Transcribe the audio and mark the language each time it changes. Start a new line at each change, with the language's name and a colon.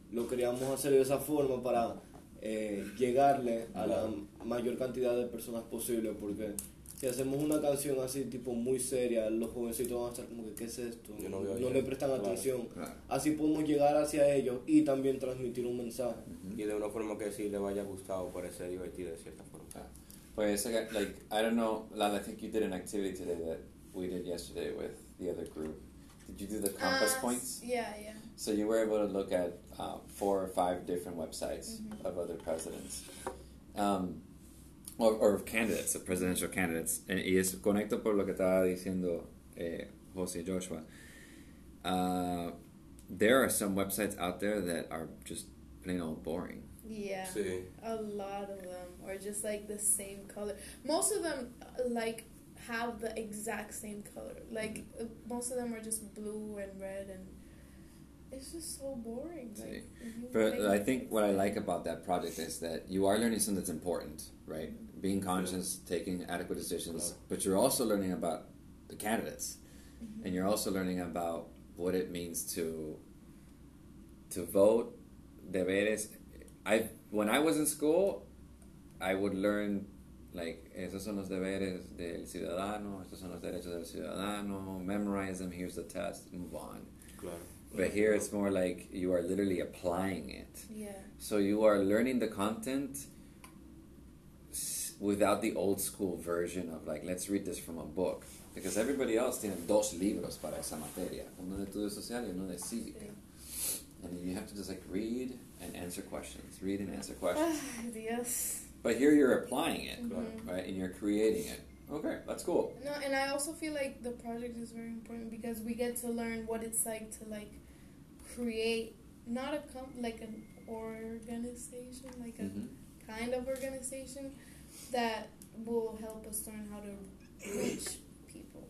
Spanish: Lo queríamos hacer de esa forma para llegarle a la mayor cantidad de personas posible, porque si hacemos una canción así, tipo muy seria, los jovencitos van a estar como que, ¿qué es esto? Yo no, no le prestan atención. Claro. Así podemos llegar hacia ellos y también transmitir un mensaje. Uh-huh. Y de una forma que sí le vaya gustado, parece divertido de cierta forma.
English: Pues, like, I don't know, Lala, I think you did an activity today that we did yesterday with the other group. Did you do the compass points? Yeah, yeah. So you were able to look at 4 or 5 different websites, mm-hmm, of other presidents. Or of candidates, of presidential candidates.
Spanish: Y es conecto por lo que estaba diciendo José Joshua.
English: There are some websites out there that are just plain old boring. Yeah.
Spanish: Sí.
English: A lot of them. Or just like the same color. Most of them like have the exact same color. Like, mm-hmm, most of them are just blue and red, and it's just so boring. Like, sí. But I think what I like about that project is that you are learning something that's important, right? Being conscious, yeah, taking adequate decisions, yeah, but you're also learning about the candidates, mm-hmm, and you're also learning about what it means to vote. Deberes. When I was in school, I would learn, like,
Spanish: esos son los deberes del ciudadano,
English: esos son los derechos del ciudadano, memorize them, here's the test, move on.
Spanish: Claro.
English: But here it's more like you are literally applying it. Yeah. So you are learning the content without the old school version of, like, let's read this from a book. Because everybody else
Spanish: tiene 2 libros para esa materia. Uno de estudios sociales y uno de cívica.
English: And then you have to just, like, read and answer questions. Read and answer questions. Yes. But here you're applying it, mm-hmm, right? And you're creating it. Okay, that's cool. No, and I also feel like the project is very important because we get to learn what it's like to, like, create, not a like an organization, like a, mm-hmm, kind of organization that will help us learn how to reach people.